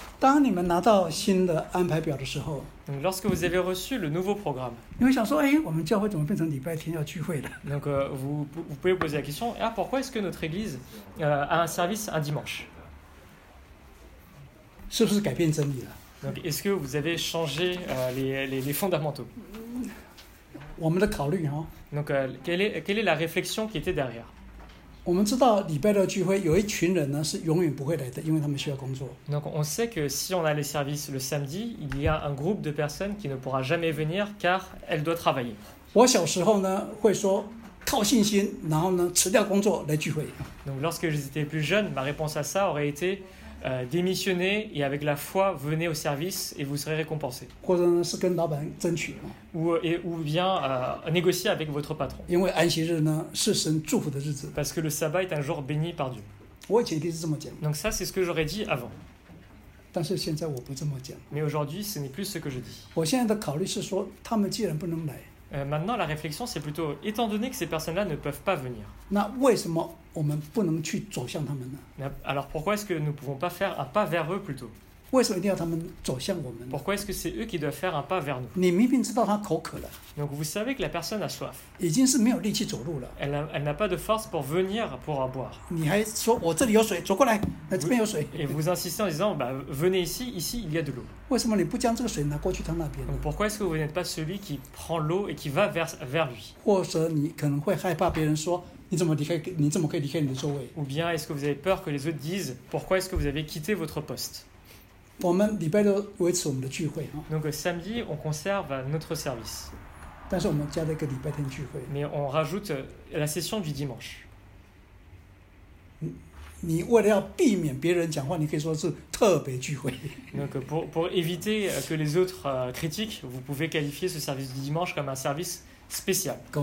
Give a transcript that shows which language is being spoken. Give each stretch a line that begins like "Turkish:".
Chinese: 当你们拿到新的安排表的时候
French: Donc, lorsque vous avez reçu le nouveau programme,
Chinese: 你会想说、哎、我们教会怎么变成礼拜天要聚会了
French: Donc, vous pouvez poser la question, ah, pourquoi est-ce que notre église, a un service un dimanche?
Chinese: 是不是改变真理了
French: Donc, est-ce que vous avez changé, les fondamentaux?
Chinese: 我们的考虑、哦、
French: Donc, quelle est la réflexion qui était derrière?
Chinese: 我们知道礼拜六聚会有一群人呢是永远不会来的，因为他们需要工作。
French: Donc on sait que si on a les services le samedi, il y a un groupe de personnes qui ne pourra jamais venir car elle doit travailler.
Chinese: 我小时候呢会说靠信心，然后呢辞掉工作来聚会。
French: Donc lorsque j'étais plus jeune, ma réponse à ça aurait été démissionner et avec la foi venez au service et vous serez récompensé.
Chinese: 或者呢是跟老板争取。
French: Ou bien négocier avec votre patron.
Chinese: 因为安息日呢是神祝福的日子。
French: Parce que le sabbat est un jour béni par Dieu.
Chinese: 我以前一定是这么讲。
French: Donc ça c'est ce que j'aurais dit avant.
Chinese: 但是现在我不这么讲。
French: Mais aujourd'hui ce n'est plus ce que je dis.
Chinese: 我现在的考虑是说，他们既然不能来。
French: Maintenant la réflexion c'est plutôt étant donné que ces personnes-là ne peuvent pas venir.
Chinese: 那为什么我们不能去走向他们呢？
French: Alors pourquoi est-ce que nous pouvons pas faire un pas vers eux plutôt?
Chinese: 为什么一定要他们走向我们呢？
French: Pourquoi est-ce que c'est eux qui doivent faire un pas vers nous?
Chinese: 你明明知道他口渴了。
French: Donc vous savez que la personne a soif.
Chinese: 已经是没有力气走路了。
French: Elle n'a pas de force pour venir pour en boire.
Chinese: 你还说我这里有水，走过来，那这边有水。
French: Et vous insistez en disant, bah, venez ici, ici il y a de l'eau.
Chinese: 为什么你不将这个水拿过去他那边呢？
French: Donc pourquoi est-ce que vous n'êtes pas celui qui prend l'eau et qui va vers lui?
Chinese: 或者你可能会害怕别人说你怎么离开，你怎么可以离开你的座位？
French: Ou bien est-ce que vous avez peur que les autres disent pourquoi est-ce que vous avez quitté votre poste?
Chinese: 我们礼拜六维持我们的聚会。
French: Donc samedi on conserve notre service.
Chinese: 但是我们加了一个礼拜天聚会。
French: Mais on rajoute la session du dimanche.
Chinese: 你为了要避免别人讲话，你可以说是特别聚会。
French: Donc pour éviter que les autres critiquent, vous pouvez qualifier ce service du dimanche comme un service spécial.